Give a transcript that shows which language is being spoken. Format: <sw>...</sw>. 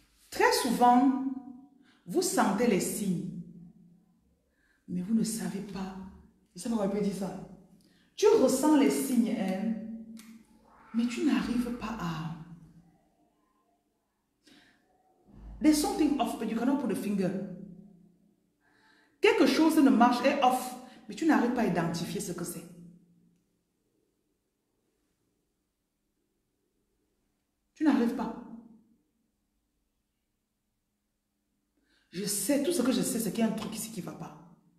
<fr>Très souvent, vous sentez les signes, mais vous ne savez pas. Je ne sais pas comment on peut dire ça. Tu ressens les signes, hein, mais tu n'arrives pas à...</fr> <en>There's something off, but you cannot put a finger.</en> <fr>Quelque chose ne marche, est off, mais tu n'arrives pas à identifier ce que c'est. Tu n'arrives pas. Je sais, tout ce que je sais, c'est qu'il y a un truc ici qui ne va pas.</fr>